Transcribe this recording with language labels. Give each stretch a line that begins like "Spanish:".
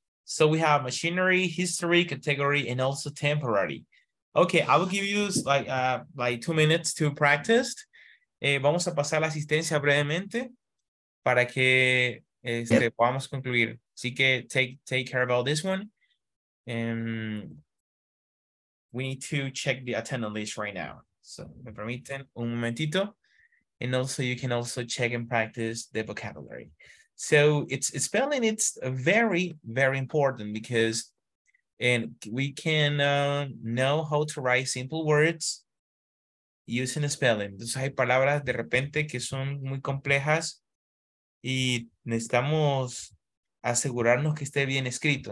English: So we have machinery, history, category, and also temporary. Okay, I will give you like 2 minutes to practice.
Spanish: Vamos a pasar la asistencia brevemente para que yep. podamos concluir. Así que
English: take care about this one. We need to check the attendance list right now. So
Spanish: me permiten un momentito.
English: And also you can also check and practice the vocabulary. So it's spelling, it's very, very important because and we can know how to write simple words using spelling.
Spanish: Entonces hay palabras de repente que son muy complejas y necesitamos asegurarnos que esté bien escrito.